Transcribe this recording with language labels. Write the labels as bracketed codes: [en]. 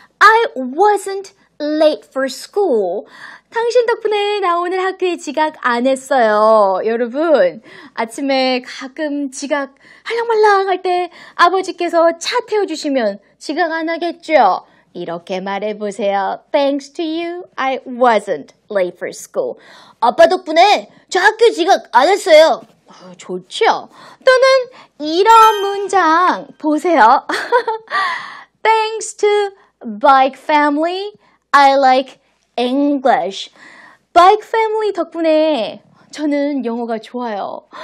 [en] I wasn't late for school. [ko] 당신 덕분에 나 오늘 학교에 지각 안 했어요. 여러분, 아침에 가끔 지각 할랑말랑 할 때 아버지께서 차 태워주시면 지각 안 하겠죠? 이렇게 말해보세요. [en] Thanks to you, I wasn't late for school. [ko] 아빠 덕분에 저 학교 지각 안 했어요. 좋죠? 또는 이런 문장 보세요. [en] Thanks to bike family, I like English. [ko] Bike family 덕분에 저는 영어가 좋아요.